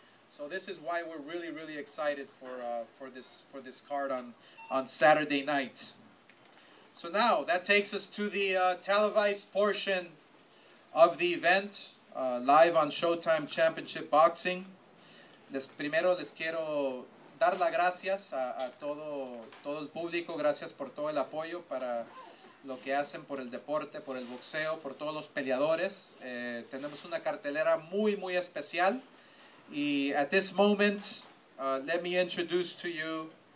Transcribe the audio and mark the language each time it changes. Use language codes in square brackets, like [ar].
[en] So this is why we're really, really excited for this card on Saturday night. So now that takes us to the televised portion of the event, live on Showtime Championship Boxing. [es] Primero les quiero dar las gracias a todo el público, gracias por todo el apoyo para lo que hacen por el deporte, por el boxeo, por todos los peleadores. Tenemos una cartelera muy, muy especial. [en] Y at this moment, let me introduce to you